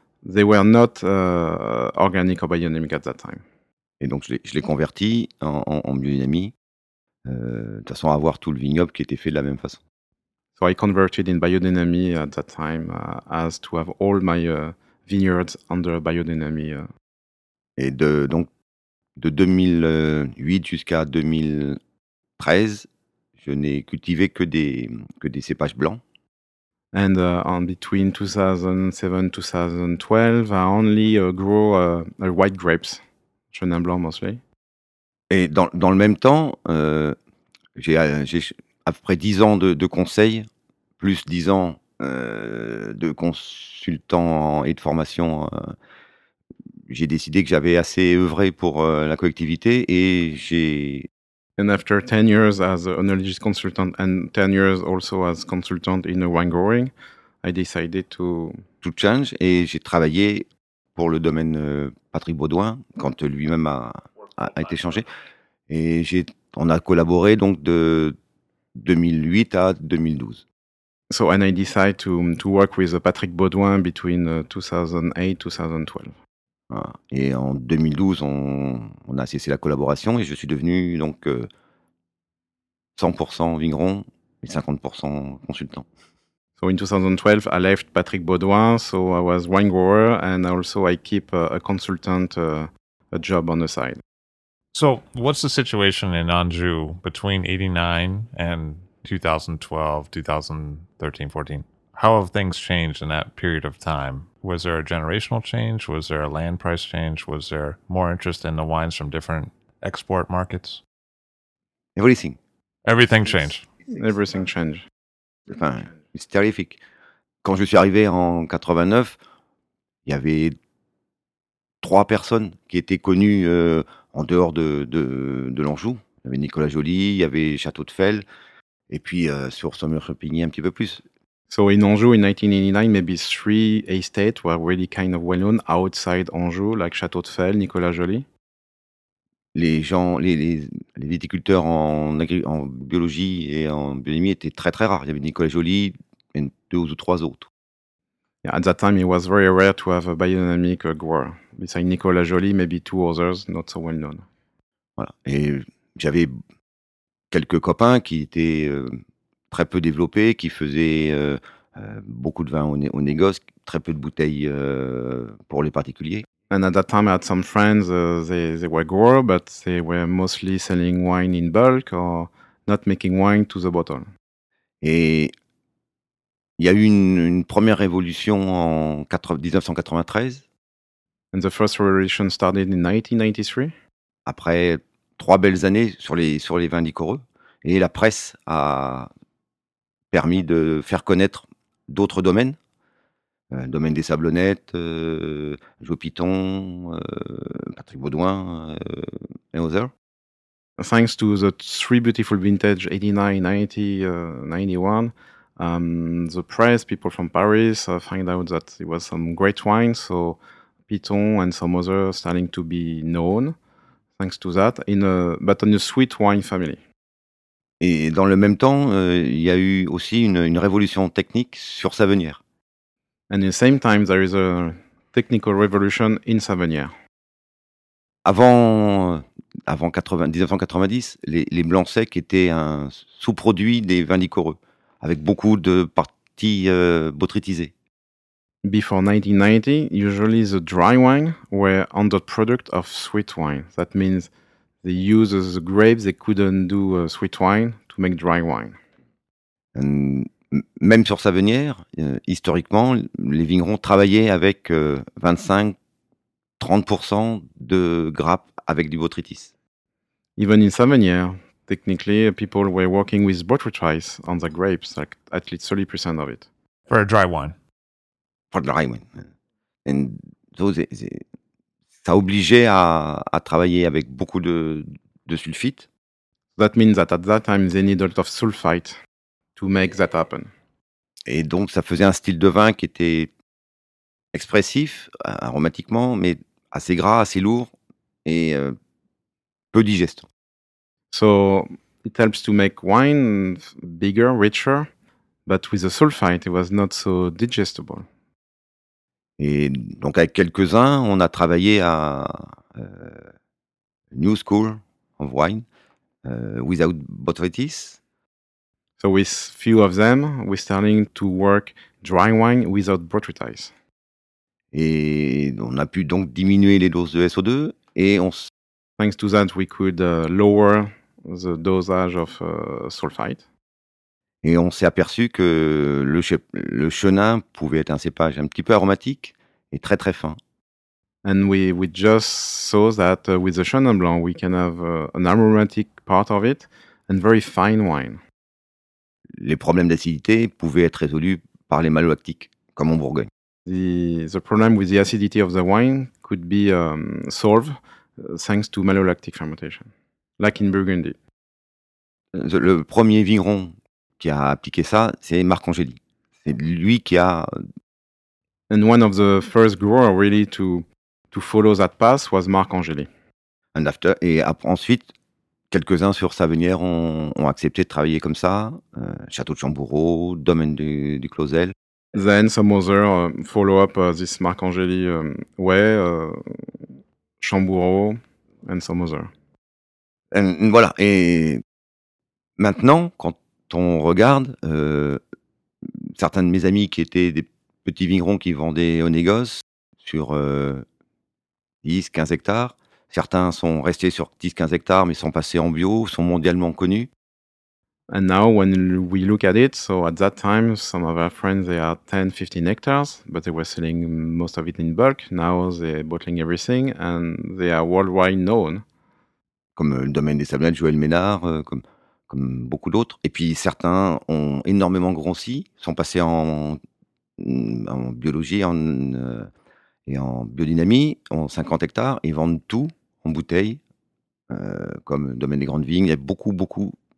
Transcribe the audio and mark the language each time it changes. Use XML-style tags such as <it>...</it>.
<en>They were not organic or biodynamic at that time.</en> <fr>Et donc je l'ai converti en biodynamie, de façon à avoir tout le vignoble qui était fait de la même façon.</fr> <en>So I converted in biodynamie at that time as to have all my vineyards under biodynamie.</en> <fr>Et de 2008 jusqu'à 2013, je n'ai cultivé que des cépages blancs.</fr> <en>And on between 2007-2012, I only grow white grapes, Chenin Blanc mostly.</en> <fr>Et dans le même temps, j'ai après 10 ans de conseils, plus 10 ans de consultant et de formation, j'ai décidé que j'avais assez œuvré pour la collectivité et j'ai</fr> <en>And after 10 years as an oenologist consultant and 10 years also as consultant in a wine growing, I decided to... To change,</en> <fr>et j'ai travaillé pour le domaine Patrick Baudouin, quand lui-même a été changé. Et on a collaboré donc de 2008 à 2012.</fr> <en>So, and I decide to work with Patrick Baudouin between 2008-2012.</en> <fr>Ah, et en 2012, on a cessé la collaboration et je suis devenu donc 100% vigneron et 50% consultant.</fr> <en>So in 2012, I left Patrick Baudouin, so I was wine grower and also I keep a consultant a job on the side. So what's the situation in Anjou between 89 and 2012, 2013, 14. How have things changed in that period of time? Was there a generational change? Was there a land price change? Was there more interest in the wines from different export markets? Everything. Everything changed. Everything changed. Enfin, it's terrific.</en> <fr>Quand je suis arrivé en 89, il y avait trois personnes qui étaient connues en dehors de l'Anjou. Il y avait Nicolas Joly, il y avait Château de Fell. Et puis sur Saumur-Champigny un petit peu plus.</fr> <en>So in Anjou in 1989, maybe three estates were really kind of well known outside Anjou, like Château de Fell, Nicolas Joly.</en> <fr>Les viticulteurs en biologie et en biodynamie étaient très très rares. Il y avait Nicolas Joly et deux ou trois autres.</fr> <en>Yeah, at that time, it was very rare to have a biodynamic grower. Besides Nicolas Joly, maybe two others not so well known.</en> <fr>Voilà. Et j'avais quelques copains qui étaient très peu développés, qui faisaient beaucoup de vin au négoce, très peu de bouteilles pour les particuliers.</fr> <en>And at that time, I had some friends. They were growers, but they were mostly selling wine in bulk or not making wine to the bottle.</en> <fr>Et il y a eu une première révolution en 1993.</fr> <en>And the first revolution started in 1993.</en> <fr>Après trois belles années sur les vins liquoreux. Et la presse a permis de faire connaître d'autres domaines, le domaine des Sablonnettes, Jo Piton, Patrick Baudouin et autres.</fr> <en>Thanks to the three beautiful vintage 89, 90, 91, the press, people from Paris, find out that it was some great wine, so Piton and some others starting to be known, thanks to that, but on a sweet wine family.</en> <fr>Et dans le même temps, il y a eu aussi une révolution technique sur Savennières.</fr> <en>And in the same time, there is a technical revolution in Savennières.</en> <fr>Avant 1990, les blancs secs étaient un sous-produit des vins liquoreux, avec beaucoup de parties botrytisées.</fr> <en>Before 1990, usually the dry wine were under product of sweet wine. That means they use the grapes, they couldn't do sweet wine to make dry wine.</en> <fr>And même sur Savennières, historiquement, les vignerons travaillaient avec 25-30% de grappes avec du botrytis.</fr> <en>Even in Savennières, technically, people were working with botrytis on the grapes, like at least 30% of it. For a dry wine. For dry wine. And so</en> <fr>ça obligeait à travailler avec beaucoup de sulfite.</fr> <en>That means that at that time they needed a lot of sulfite to make that happen.</en> <fr>Et donc ça faisait un style de vin qui était expressif aromatiquement, mais assez gras, assez lourd et peu digeste.</fr> <en>So it helps to make wine bigger, richer, but with the sulfite it was not so digestible.</en> <fr>Et donc avec quelques-uns, on a travaillé à</fr> <en>New School of Wine without botrytis. So with few of them, we're starting to work dry wine without botrytis.</en> <fr>Et on a pu donc diminuer les doses de SO2 et on</fr> <en>thanks to that we could lower the dosage of sulfite.</en> <fr>Et on s'est aperçu que le chenin pouvait être un cépage un petit peu aromatique. Et très très fin.</fr> <en>And we just saw that with the Chenin Blanc, we can have an aromatic part of it and very fine wine.</en> <fr>Les problèmes d'acidité pouvaient être résolus par les malolactiques, comme en Bourgogne.</fr> <en>The problem with the acidity of the wine could be solved thanks to malolactic fermentation, like in Burgundy.</en> <fr>Le premier vigneron qui a appliqué ça, c'est Marc Angéli. C'est lui qui a...</fr> <en>And one of the first growers really to follow that path was Marc Angéli. And after,</en> <fr>et ensuite, quelques-uns sur Savenière ont accepté de travailler comme ça. Château de Chambourreau, Domaine du Clausel.</fr> <en>Then some other follow-up this Marc Angéli way, Chambourreau, and some other.</en> <fr>And voilà, et maintenant, quand on regarde, certains de mes amis qui étaient des petits vignerons qui vendaient au négoce sur 10-15 hectares, certains sont restés sur 10-15 hectares mais sont passés en bio, sont mondialement connus.</fr> <en>And now when we look at it, so at that time, some of our friends, they had 10-15 hectares, but they were selling most of it in bulk. Now they're bottling everything and they are worldwide known.</en> <fr>Comme le domaine des Sablons, Joël Ménard, comme beaucoup d'autres. Et puis certains ont énormément grossi, sont passés en biologie et en biodynamie, ont 50 hectares, et vendent tout en bouteille, comme le domaine des grandes vignes. Il y a beaucoup, beaucoup...</fr>